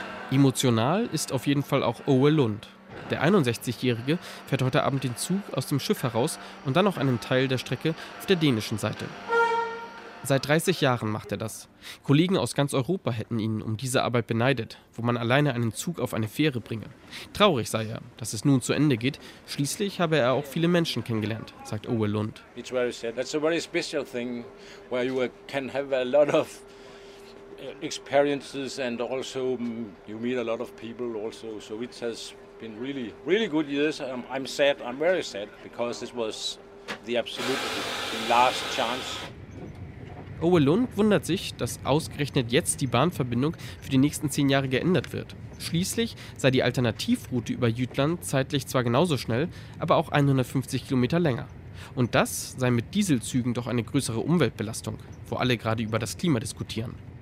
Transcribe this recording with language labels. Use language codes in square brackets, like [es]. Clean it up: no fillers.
[de] Emotional ist auf jeden Fall auch Owe Lund. Der 61-Jährige fährt heute Abend den Zug aus dem Schiff heraus und dann noch einen Teil der Strecke auf der dänischen Seite. Seit 30 Jahren macht er das. Kollegen aus ganz Europa hätten ihn um diese Arbeit beneidet, wo man alleine einen Zug auf eine Fähre bringe. Traurig sei er, dass es nun zu Ende geht. Schließlich habe er auch viele Menschen kennengelernt, sagt Owe Lund. [en] It's very sad. That's a very special thing, where you can have a lot of experiences and also you meet a lot of people also. So it has been really, really good years. I'm sad. I'm very sad because this was the absolute last chance. [de] Owe Lund wundert sich, dass ausgerechnet jetzt die Bahnverbindung für die nächsten 10 Jahre geändert wird. Schließlich sei die Alternativroute über Jütland zeitlich zwar genauso schnell, aber auch 150 Kilometer länger. Und das sei mit Dieselzügen doch eine größere Umweltbelastung, wo alle gerade über das Klima diskutieren.